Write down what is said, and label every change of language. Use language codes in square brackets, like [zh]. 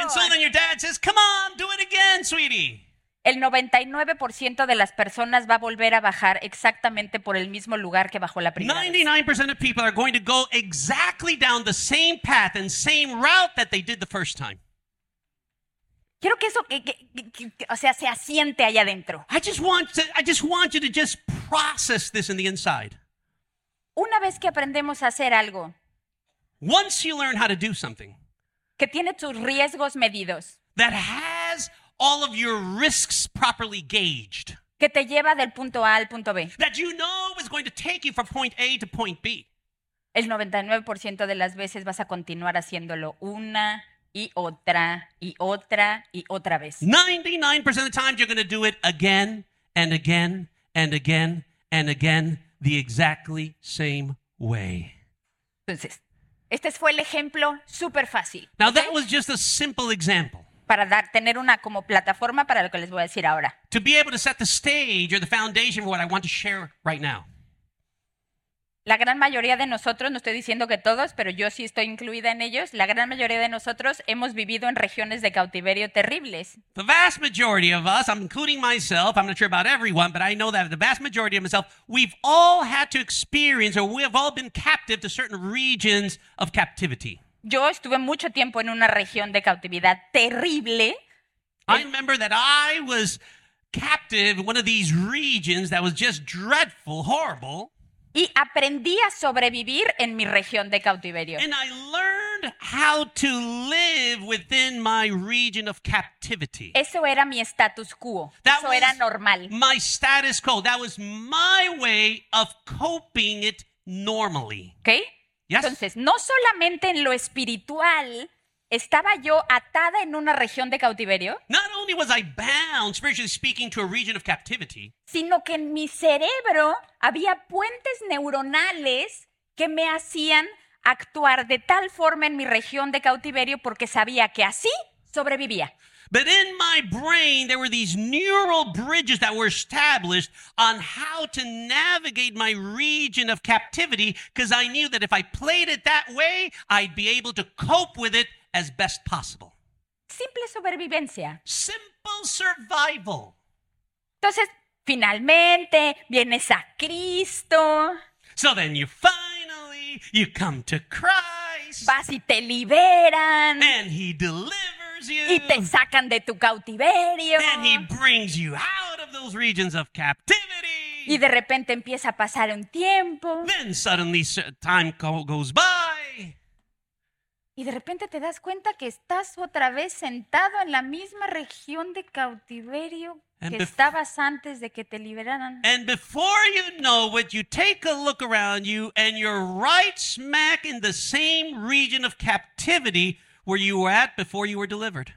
[en] And so then your dad says, come on, do it again, sweetie. [es] El 99% de las personas va a volver a bajar exactamente por el mismo lugar que bajó la primera [en] 99% of people are going to go exactly down the same path and same route that they did the first time. [es] Quiero que eso, o sea, se asiente allá adentro. [en] I just want you to just process this in the inside. [es] Una vez que aprendemos a hacer algo, [en] once you learn how to do something, [es] que tiene tus riesgos medidos, [en] that has all of your risks properly gauged, [es] que te lleva del punto A al punto B, [en] that you know is going to take you from point A to point B, [es] el 99% de las veces vas a continuar haciéndolo una y otra y otra y otra vez. [en] 99% of the time you're going to do it again and again and again and again the exactly same way. [es] Entonces, este fue el ejemplo súper fácil. [en] Now that was just a simple example. [es] Para dar, tener una como plataforma para lo que les voy a decir ahora. [en] To be able to set the stage or the foundation for what I want to share right now. [es] La gran mayoría de nosotros, no estoy diciendo que todos, pero yo sí estoy incluida en ellos, la gran mayoría de nosotros hemos vivido en regiones de cautiverio terribles. [en] The vast majority of us, I'm including myself, I'm not sure about everyone, but I know that the vast majority of myself, we've all had to experience or we have all been captive to certain regions of captivity. [es] Yo estuve mucho tiempo en una región de cautividad terrible. [en] I remember that I was captive in one of these regions that was just dreadful, horrible. [es] Y aprendí a sobrevivir en mi región de cautiverio. [en] And I learned how to live within my region of captivity. [es] Eso era mi status quo. That Eso era normal. [en] My status quo. That was my way of coping it normally. [es] ¿Okay? [en] Yes. [es] Entonces, no solamente en lo espiritual estaba yo atada en una región de cautiverio. [en] Not only was I bound, spiritually speaking, to a region of captivity, [es] sino que en mi cerebro había puentes neuronales que me hacían actuar de tal forma en mi región de cautiverio porque sabía que así sobrevivía. [en] But in my brain, there were these neural bridges that were established on how to navigate my region of captivity because I knew that if I played it that way, I'd be able to cope with it as best possible. [es] Simple supervivencia. [en] Simple survival. [es] Entonces, finalmente, vienes a Cristo. [en] So then you finally, you come to Christ. [es] Vas y te liberan. [en] And he delivers you. [es] Y te sacan de tu cautiverio. [en] And he brings you out of those regions of captivity. [es] Y de repente empieza a pasar un tiempo. [en] Then suddenly time goes by. [es] Y de repente te das cuenta que estás otra vez sentado en la misma región de cautiverio que estabas antes de que te liberaran. [en] And before you know it, you take a look around you and you're right smack in the same region of captivity where you were at before you were delivered.